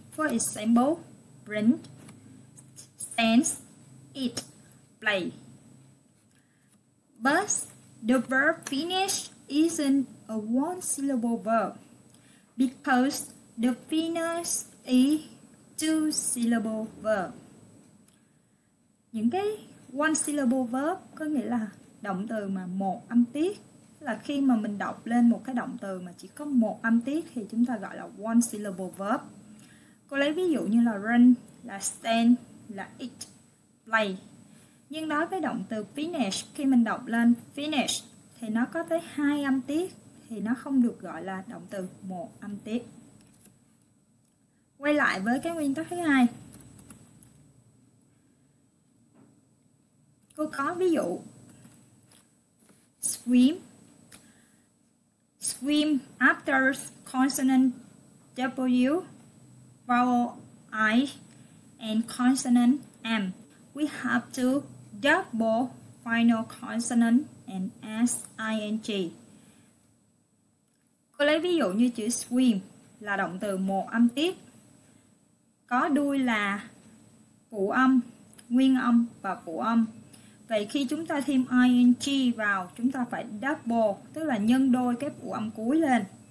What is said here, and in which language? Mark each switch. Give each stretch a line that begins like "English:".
English: For example, print, stands, eat, play. But the verb finish isn't a one syllable verb because the finish is two syllable verb.
Vietnamese: Những cái
English: one syllable verb
Vietnamese: có nghĩa là động từ mà một âm tiết. Là khi mà mình đọc lên một cái động từ mà chỉ có một âm tiết thì chúng ta gọi là
English: one syllable verb.
Vietnamese: Cô lấy ví dụ như là run, là stand, là eat, play. Nhưng đối với động từ finish, khi mình đọc lên finish thì nó có tới hai âm tiết thì nó không được gọi là động từ một âm tiết. Quay lại với cái nguyên tắc thứ hai, cô có ví dụ swim.
English: Swim after consonant W, vowel I and consonant M, we have to double final consonant and S-I-N-G.
Vietnamese: Cô lấy ví dụ như chữ swim là động từ một âm tiết, có đuôi là phụ âm, nguyên âm và phụ âm. Vậy khi chúng ta thêm ing vào, chúng ta phải double, tức là nhân đôi cái phụ âm cuối lên.